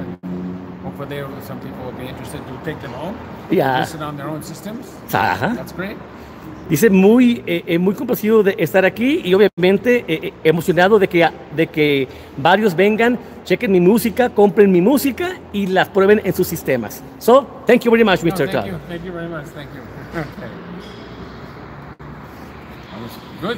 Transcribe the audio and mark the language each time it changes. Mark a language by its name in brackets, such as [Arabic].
[English] And hopefully, some people will be interested to take them home. Yeah. Listen on their own systems. Uh-huh. That's great. [Spanish] Dice muy muy complacido de estar aquí y obviamente emocionado de que varios vengan, chequen mi música, compren mi música y las prueben en sus sistemas. [English] So, thank you very much, Mr. Todd. Thank you very much. Thank you. Okay. That was good.